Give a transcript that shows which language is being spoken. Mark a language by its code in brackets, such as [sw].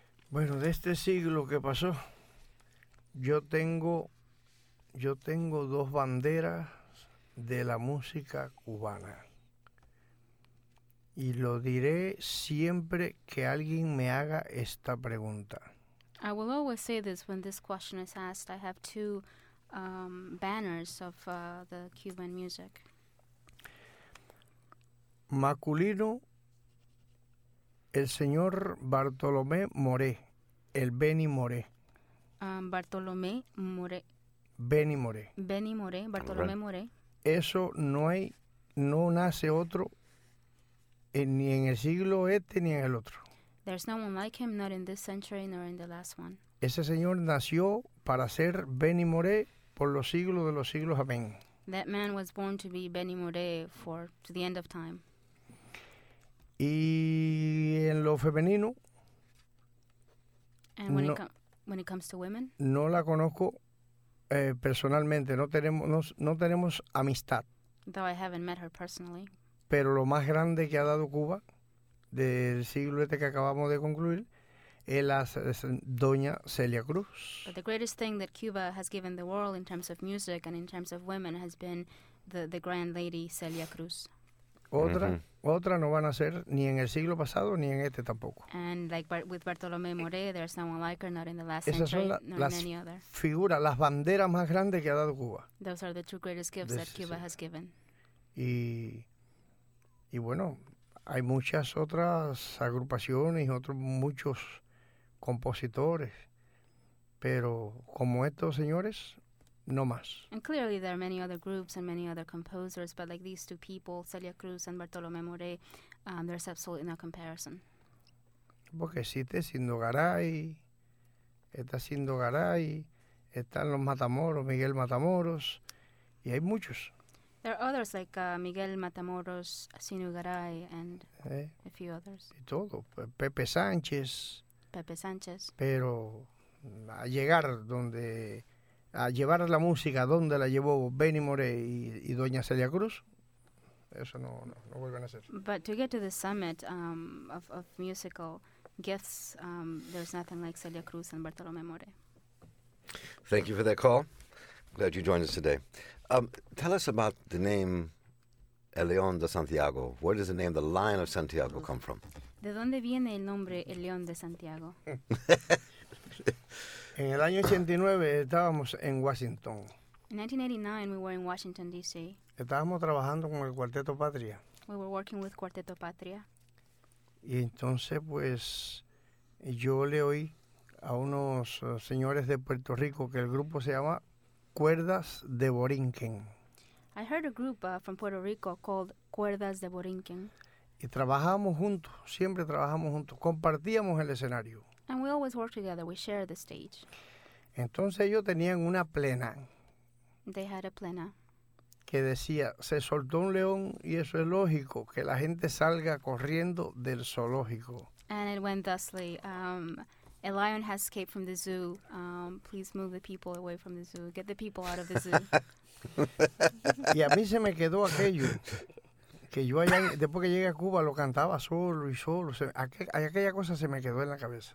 [es] Bueno, de este siglo que pasó, yo tengo dos banderas de la música cubana. Y lo diré siempre que alguien me haga esta pregunta. [en] I will always say this when this question is asked. I have two banners of the Cuban music. [es] masculino, el señor Bartolomé Moré, el Benny Moré. Bartolomé Moré. Benny Moré. Benny Moré, Bartolomé Moré. Eso no hay, no nace otro, ni en el siglo este ni en el otro. [en] There's no one like him, not in this century nor in the last one. [es] Ese señor nació para ser Benny Moré por los siglos de los siglos, amén. [en] That man was born to be Benny Moré for to the end of time. [es] Y en lo femenino, [en] and when, no, it when it comes to women, [es] no la conozco personalmente, no tenemos amistad. [en] Though I haven't met her personally. [es] Pero lo más grande que ha dado Cuba del siglo este que acabamos de concluir es la doña Celia Cruz. [en] But the greatest thing that Cuba has given the world in terms of music and in terms of women has been the grand lady Celia Cruz. [es] Otra, mm-hmm. otra no van a ser ni en el siglo pasado ni en este tampoco. [en] And like with Bartolomé Moré, there's no one like her, not in the last [es] Esas [en] century, la, nor [es] las [en] in any other. [es] Figuras, las banderas más grandes que ha dado Cuba. [en] Those are the two greatest gifts that Cuba has given. [es] Y bueno, hay muchas otras agrupaciones y otros muchos compositores, pero como estos señores, no más. [en] And clearly there are many other groups and many other composers, but like these two people, Celia Cruz and Bartolomé Moré, there's absolutely no comparison. [es] Porque existe Sindo Garay, está Sindo Garay, están los Matamoros, Miguel Matamoros, y hay muchos. [en] There are others like Miguel Matamoros, Sinu Garay, and a few others. [es] Y todo, Pepe Sánchez. Pepe Sánchez. Pero a llegar donde, a llevar la música donde la llevó Benny Moré y doña Celia Cruz, eso no vuelven a ser. [en] But to get to the summit of musical gifts, there's nothing like Celia Cruz and Bartolomé Moré. Thank you for that call. Glad you joined us today. Tell us about the name El León de Santiago. Where does the name the Lion of Santiago come from? [es] ¿De dónde viene el nombre El León de Santiago? En el año 89 estábamos en Washington. [en] In 1989 we were in Washington D.C. [es] Estábamos trabajando con el Cuarteto Patria. [en] We were working with Cuarteto Patria. [es] Y entonces pues yo le oí a unos señores de Puerto Rico que el grupo se llama Cuerdas de Borinquen. [en] I heard a group from Puerto Rico called Cuerdas de Borinquen. [es] Y trabajábamos juntos, siempre trabajamos juntos, compartíamos el escenario. [en] And we always worked together, we shared the stage. [es] Entonces ellos tenían una plena. [en] They had a plena. [es] Que decía, se soltó un león y eso es lógico, que la gente salga corriendo del zoológico. [en] And it went thusly, a lion has escaped from the zoo. Please move the people away from the zoo. Get the people out of the zoo. [es] Y a mí se me quedó aquello. Que yo allá, después que llegué a Cuba, lo cantaba solo y solo. Aquella cosa se me quedó en la cabeza.